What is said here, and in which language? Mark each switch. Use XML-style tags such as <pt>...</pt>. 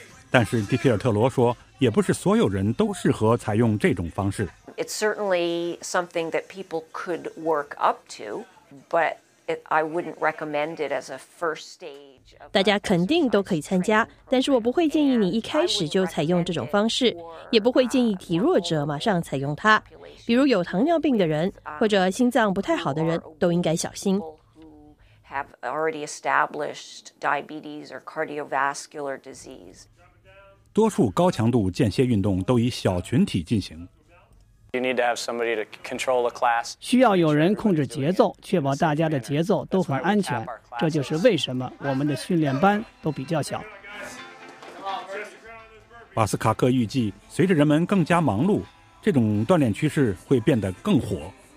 <zh>但是迪皮尔特罗说，也不是所有人都适合采用这种方式。</zh> <en>It's certainly something that people could work up to, but I wouldn't recommend it as a first stage.</en> <zh>大家肯定都可以参加，但是我不会建议你一开始就采用这种方式，也不会建议体弱者马上采用它。比如有糖尿病的人或者心脏不太好的人都应该小心。</zh> <en>Have already established diabetes or cardiovascular disease.</en> <zh>多数高强度间歇运动都以小群体进行。</zh> <en>You need to have somebody to control the class.</en> <zh>需要有人控制节奏，确保大家的节奏都很安全。这就是为什么我们的训练班都比较小。瓦斯卡克预计，随着人们更加忙碌，这种锻炼趋势会变得更火。</zh>